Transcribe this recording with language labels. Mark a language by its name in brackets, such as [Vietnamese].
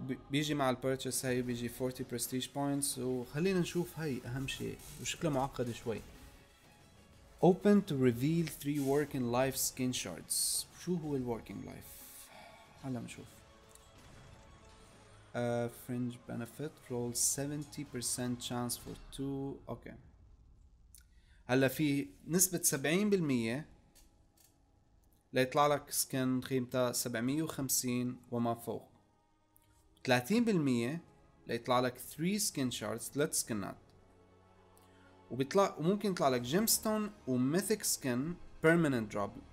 [Arabic] بيجي مع البرتشيس هاي بيجي 40 برستيج بوينتس. وخلينا نشوف هاي اهم شيء وشكله معقد شوي. [English] open to reveal 3 working life skin shards. [Arabic] شو هو الworking life؟ هلا نشوف. [English] fringe benefit roll 70% chance for 2. [Arabic] اوكي هلا في نسبة 70% ليطلع لك سكن قيمتها 750 وما فوق، 30% ليطلع لك 3 سكين شاردز 3 سكنات، وبيطلع وممكن يطلع لك جيمستون وميثيك سكن بيرمننت دروب.